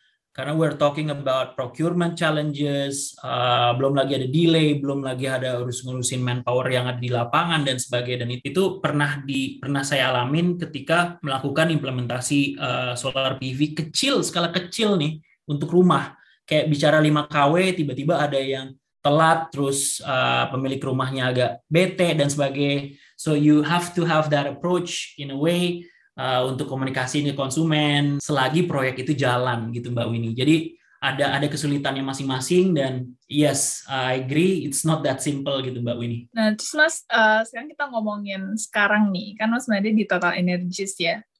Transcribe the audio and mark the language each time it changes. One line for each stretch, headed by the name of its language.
Indonesian: Karena
English: we're talking about procurement challenges,
Indonesian: belum lagi ada delay, belum lagi ada urus ngurusin manpower yang ada di lapangan dan sebagainya. Dan itu pernah saya alamin ketika melakukan implementasi solar PV kecil, skala kecil nih, untuk rumah. Kayak bicara 5 KW, tiba-tiba ada yang telat, terus pemilik rumahnya agak bete dan sebagainya.
English: So you have to have that approach in a way.
Indonesian: Untuk komunikasi ke konsumen selagi proyek itu jalan gitu Mbak Winnie. Jadi ada kesulitannya masing-masing, dan yes,
English: I agree, it's not that simple
Indonesian: gitu Mbak Winnie. Nah, terus Mas, sekarang kita ngomongin sekarang nih, kan Mas Made di Total Energies ya.